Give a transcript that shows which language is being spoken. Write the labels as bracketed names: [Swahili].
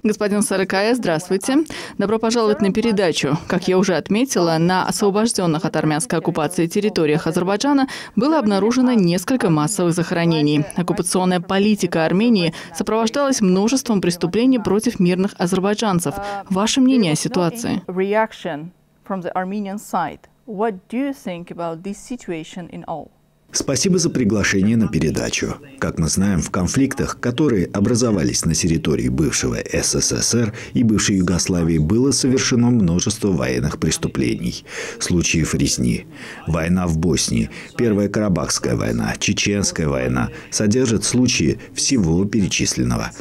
[Russian] Господин Сарыкая, здравствуйте. Добро пожаловать на передачу. Как я уже отметила, на освобожденных от армянской оккупации территориях Азербайджана было обнаружено несколько массовых захоронений. Оккупационная политика Армении сопровождалась множеством преступлений против мирных азербайджанцев. Ваше мнение о ситуации? [English] Reaction from the Armenian side. What do you think about this situation in all? [Russian] Спасибо за приглашение на передачу. Как мы знаем, в конфликтах, которые образовались на территории бывшего СССР и бывшей Югославии, было совершено множество военных преступлений, случаев резни. Война в Боснии, Первая Карабахская война, Чеченская война содержат случаи всего перечисленного.